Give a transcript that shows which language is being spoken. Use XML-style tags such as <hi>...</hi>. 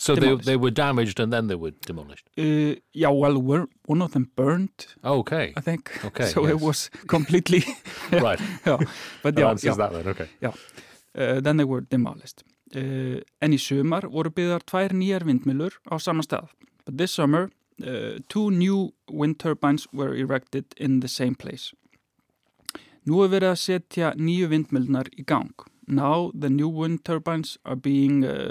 <en>So they were damaged and then they were demolished. One of them burned. Okay. I think. Okay. So yes. It was completely right. Yeah. But the answer is that then. Okay. Yeah. Then they were demolished.</en> <is>En í sumar voru byggðar tvær nýjar vindmyllur á sama stað.</is> <en>But this summer, two new wind turbines were erected in the same place.</en> <is>Nú verið að setja nýju vindmyllnar í gang.</is> <en>Now the new wind turbines are being</en>